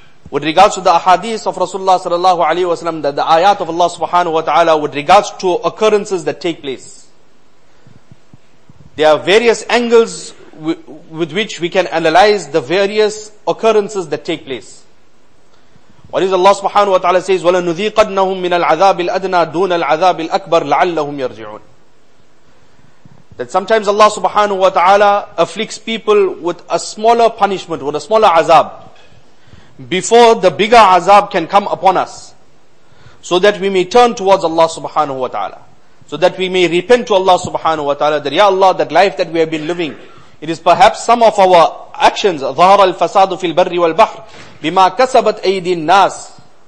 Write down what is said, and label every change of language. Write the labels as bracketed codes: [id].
[en] With regards to the ahadith of Rasulullah sallallahu alayhi wa sallam, that the ayat of Allah subhanahu wa ta'ala with regards to occurrences that take place. There are various angles with which we can analyze the various occurrences that take place. What is Allah subhanahu wa ta'ala says, [ar] وَلَنُذِيقَنَّهُمْ مِنَ الْعَذَابِ الْأَدْنَى دُونَ الْعَذَابِ الْأَكْبَرِ لَعَلَّهُمْ يَرْجِعُونَ. [en] That sometimes Allah subhanahu wa ta'ala afflicts people with a smaller punishment, with a smaller azab, before the bigger azab can come upon us, so that we may turn towards Allah subhanahu wa ta'ala, so that we may repent to Allah subhanahu wa ta'ala, that Ya Allah, that life that we have been living, it is perhaps some of our actions, [ar] ظَهَرَ الْفَسَادُ فِي الْبَرِّ وَالْبَحْرِ بِمَا كَسَبَتْ أَيْدِ النَّاسِ.